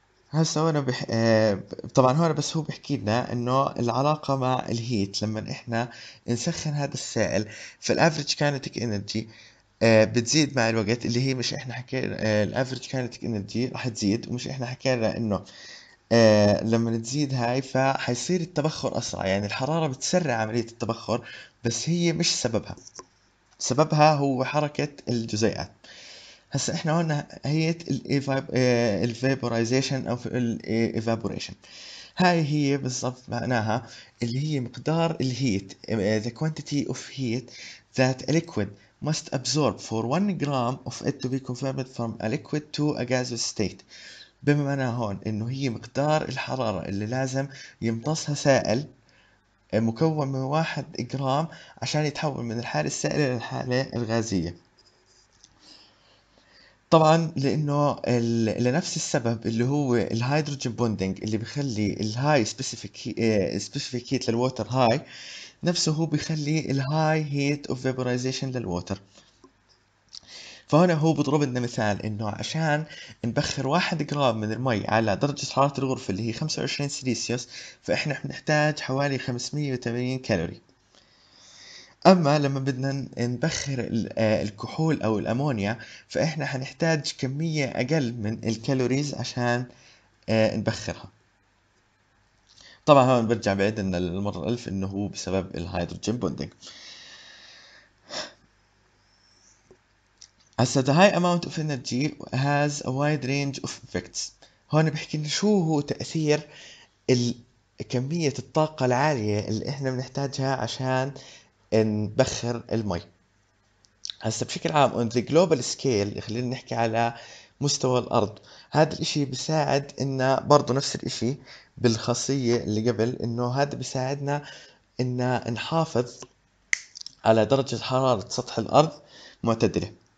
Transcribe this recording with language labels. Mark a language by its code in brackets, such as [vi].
[ar] هسا هون طبعا هون بس هو بحكي لنا انه العلاقة مع الهيت، لما احنا نسخن هذا السائل فالافريج كانتيك انرجي بتزيد مع الوقت، اللي هي مش احنا حكينا الافريج كانتيك انرجي راح تزيد، ومش احنا حكينا انه لما تزيد هاي فحيصير التبخر اسرع. يعني الحرارة بتسرع عملية التبخر بس هي مش سببها، سببها هو حركة الجزيئات. هسا احنا قلنا هي الفيبورايزيشن او الايفابوريشن، هاي هي بالضبط معناها اللي هي مقدار الهيت، [en] the quantity of heat that a liquid must absorb for 1 gram of it to be converted from a liquid to a gaseous state. [ar] بما معناها هون انه هي مقدار الحرارة اللي لازم يمتصها سائل مكون من 1 جرام عشان يتحول من الحالة السائلة للحالة الغازية. طبعا لانه لنفس السبب اللي هو الهيدروجين بوندينج اللي بيخلي الهاي سبيسيفيك هيت للووتر هاي، نفسه هو بيخلي الهاي هيت اوف فيبورايزيشن للووتر. فهنا هو بيضرب لنا مثال انه عشان نبخر 1 جرام من المي على درجة حرارة الغرفة اللي هي 25 سيليسيوس، فاحنا بنحتاج حوالي 580 كالوري. اما لما بدنا نبخر الكحول او الامونيا فاحنا حنحتاج كمية اقل من الكالوريز عشان نبخرها. طبعا هون برجع بعيد لنا للمرة الالف انه هو بسبب الهيدروجين بوندينج. [en] As the high amount of energy has a wide range of effects. [ar] هون بحكي لنا شو هو تأثير كمية الطاقة العالية اللي احنا بنحتاجها عشان نبخر المي. هسا بشكل عام [en] on the global scale، [ar] خلينا نحكي على مستوى الأرض، هذا الاشي بيساعد انه برضو نفس الاشي بالخاصية اللي قبل، انه هذا بيساعدنا انه نحافظ على درجة حرارة سطح الأرض معتدلة.